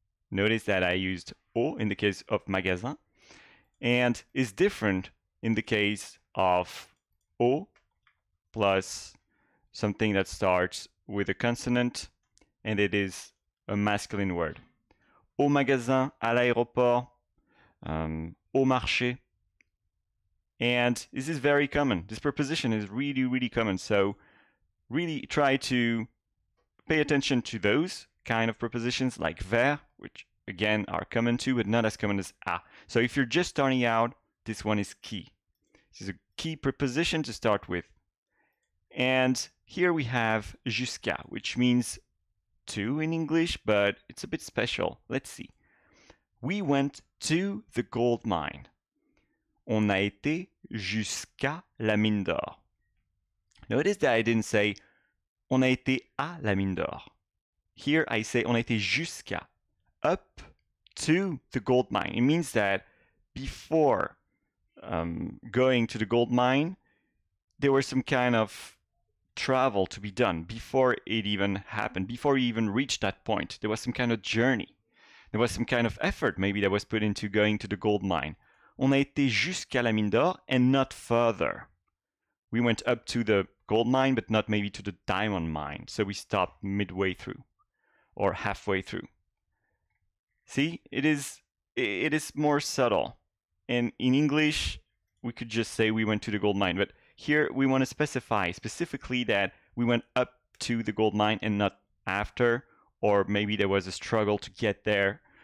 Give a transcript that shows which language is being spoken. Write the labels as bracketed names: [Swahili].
[English] Notice that I used au in the case of magasin, and is different in the case of O plus something that starts with a consonant and it is a masculine word. [French] Au magasin, à l'aéroport, au marché. [English] And this is very common. This preposition is really, really common. So really try to pay attention to those kind of prepositions like vers, which again are common too, but not as common as à. So if you're just starting out, this one is key. This is a key preposition to start with. And here we have jusqu'à, which means to in English, but it's a bit special. Let's see. We went to the gold mine. [French] On a été jusqu'à la mine d'or. [English] Notice that I didn't say [French] on a été à la mine d'or. [English] Here I say [French] on a été jusqu'à, [English] up to the gold mine. It means that before going to the gold mine, there was some kind of travel to be done before it even happened, before you even reached that point. There was some kind of journey. There was some kind of effort maybe that was put into going to the gold mine. [French] On a été jusqu'à la mine d'or [English] and not further. We went up to the gold mine, but not maybe to the diamond mine. So we stopped midway through or halfway through. See, it is more subtle. And in English, we could just say we went to the gold mine. But here we want to specify specifically that we went up to the gold mine and not after, or maybe there was a struggle to get there.